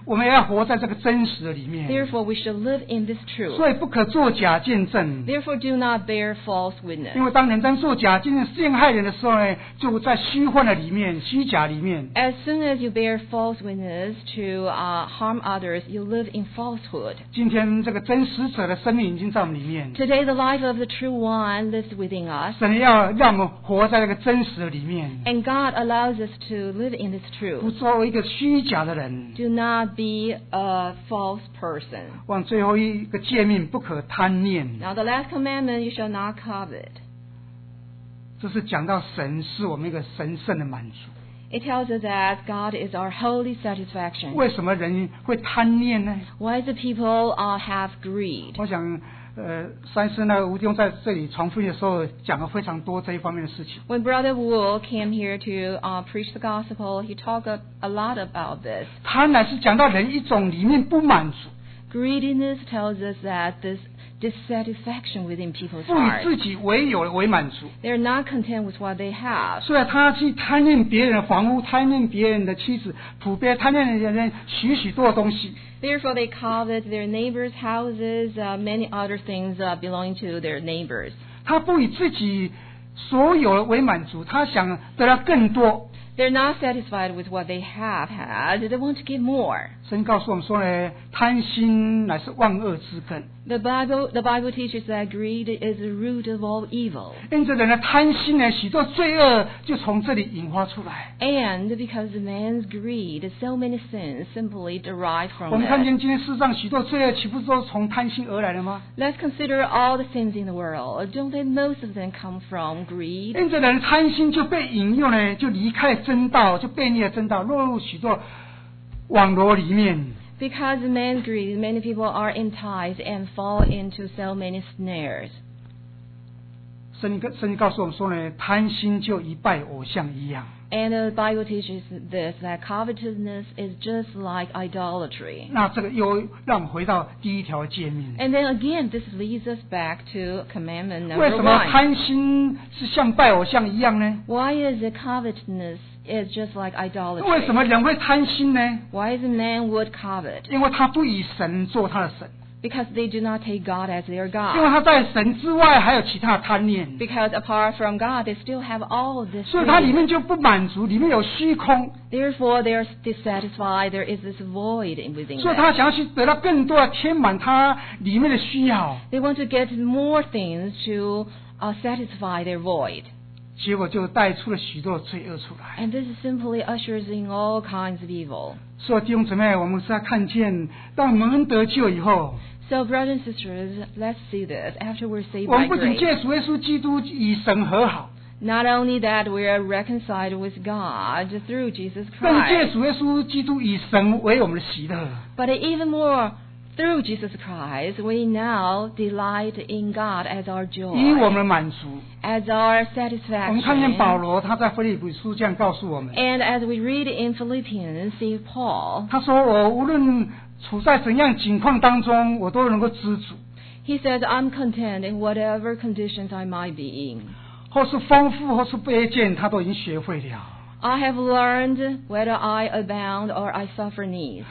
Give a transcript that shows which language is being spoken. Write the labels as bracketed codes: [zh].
[zh] 我们要活在这个真实的里面。 [en] Therefore, we should live in this truth. [zh] 所以不可做假见证。 [en] Therefore, do not bear false witness. [zh] 因为当人当做假见证陷害人的时候呢，就在虚幻的里面，虚假里面。 [en] As soon as you bear false witness to harm others, you live in falsehood. [zh] 今天这个真实者的生命已经在我们里面。 [en] Today, the life of the true one lives within us. [zh] 神要让我们活在这个真实的里面。 [en] And God allows us to live in this truth. [zh] 不做一个虚假的人。 [en] Do not be a false person. [zh] 往最后一个诫命，不可贪念。 [en] Now the last commandment, you shall not covet. [zh] 这是讲到神是我们一个神圣的满足。 [en] It tells us that God is our holy satisfaction. [zh] 为什么人会贪念呢？ [en] Why do people have greed? [zh] 我想三师那个吴弟兄在这里传福音的时候讲了非常多这一方面的事情。 [en] When Brother Wu came here to preach the gospel, he talked a lot about this. [zh] 贪婪是讲到人一种里面不满足。 [en] Greediness tells us that this dissatisfaction within people's hearts. [zh] 不以自己为有为满足。 [en] They're not content with what they have. [zh] 所以他去贪恋别人的房屋，贪恋别人的妻子，普遍贪恋人家许许多的东西。 [en] Therefore, they covet their neighbors' houses, many other things belonging to their neighbors. [zh] 他不以自己所有为满足，他想得到更多。 [en] They're not satisfied with what they have had. They want to get more. [zh] 神告诉我们说呢，贪心乃是万恶之根。 [en] The Bible teaches that greed is the root of all evil. [zh] 因着人的贪心呢，许多罪恶就从这里引发出来。 [en] And because of man's greed, so many sins simply derive from it. [zh] 我们看见今天世上许多罪恶，岂不是都从贪心而来的吗？ [en] Let's consider all the sins in the world. Don't they most of them come from greed? [zh] 因着人的贪心就被引诱呢，就离开了真道，就背逆了真道，落入许多网罗里面。 [en] Because of man's greed, many people are enticed and fall into so many snares. [zh] 圣经告诉我们说呢，贪心就一拜偶像一样。 [en] And the Bible teaches this, that covetousness is just like idolatry. [zh] 那这个又让我们回到第一条诫命。 [en] And then again, this leads us back to commandment number 1. [zh] 为什么贪心是像拜偶像一样呢？ [en] Why is the covetousness is just like idolatry? [zh] 为什么人会贪心呢？ [en] Why is a man would covet? [zh] 因为他不以神做他的神。 [en] Because they do not take God as their God. [zh] 因为他在神之外还有其他贪念。 [en] Because apart from God, they still have all of this. [zh] 所以他里面就不满足，里面有虚空。 [en] Therefore, they are dissatisfied. There is this void within them. [zh] 所以他想要去得到更多，填满他里面的需要。 [en] They want to get more things to satisfy their void. [zh] 结果就带出了许多罪恶出来。 [en] And this simply ushers in all kinds of evil. [zh] 所以弟兄姊妹，我们是要看见，当我们得救以后。 [en] So brothers and sisters, let's see this. After we're saved by grace. [zh] 我们不仅借主耶稣基督与神和好。 [en] Not only that we are reconciled with God through Jesus Christ. [zh] 更借主耶稣基督与神为我们的喜乐。 [en] But even more, through Jesus Christ, we now delight in God as our joy. [zh] 以我们的满足。 [en] As our satisfaction. [zh] 我们看见保罗他在腓立比书这样告诉我们。 [en] And as we read in Philippians, see Paul. [zh] 他说我无论处在怎样境况当中，我都能够知足。 [en] He says, I'm content in whatever conditions I might be in. [zh] 或是丰富或是卑贱，他都已经学会了。 [en] I have learned whether I abound or I suffer need.